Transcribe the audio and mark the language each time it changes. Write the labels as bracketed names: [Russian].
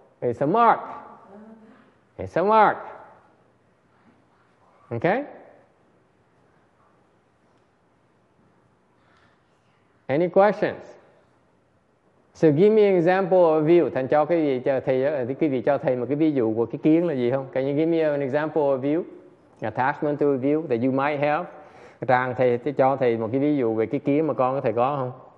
[English] It's a mark. It's a mark. Okay? Any questions? So give me an example of a view. [Vietnamese] Thành cho cái gì cho thầy, cái gì cho thầy một cái ví dụ của cái kiến là gì không? [English] Can you give me an example of a view? Attachment to a view that you might have. [Vietnamese] Rằng thầy sẽ cho thầy một cái ví dụ về cái kiến mà con có thể có không?